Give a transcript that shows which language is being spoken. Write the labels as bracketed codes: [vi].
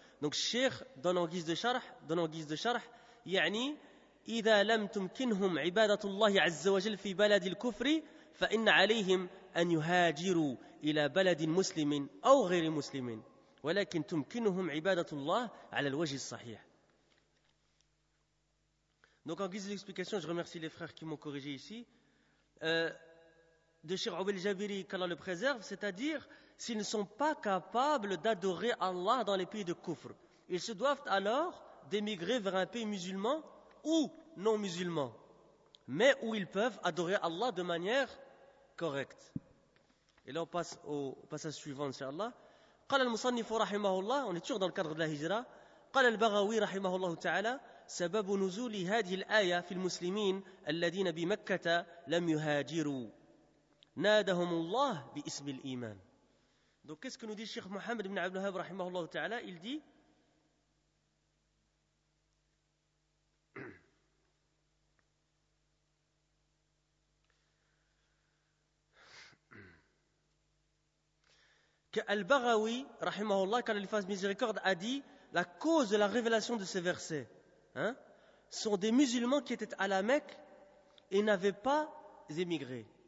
[fr] Donc [ar] الشيخ [fr] donne en guise de charh [ar] يعني إذا لم تمكنهم عبادة الله عز وجل في بلد الكفر فإن عليهم أن يهاجروا إلى بلد مسلم أو غير مسلم ولكن تمكنهم عبادة الله على الوجه الصحيح. [fr] Donc en guise d'explication, je remercie les frères qui m'ont corrigé ici, de Cheikh Oubel Jabiri, qu'Allah le préserve, c'est-à-dire s'ils ne sont pas capables d'adorer Allah dans les pays de Kufr, ils se doivent alors d'émigrer vers un pays musulman ou non musulman, mais où ils peuvent adorer Allah de manière correcte. Et là, on passe au passage suivant, inshallah. [ar] قال المصنف رحمه الله, [fr] on est toujours dans le cadre de la hijra. [ar] قال البغوي رحمه الله تعالى سبب نزول هذه الآية في المسلمين الذين بمكة لم يهاجروا نادهم الله باسم الإيمان. [fr] Donc qu'est-ce que nous dit Cheikh Mohamed ibn Abdul Wahhab [ar] رحمه الله تعالى? [fr] Il dit que Al-Baghawi, rahimahullah, quand il fasse miséricorde, a dit la cause de la révélation de ces versets sont des musulmans qui étaient à la Mecque et n'avaient pas émigré.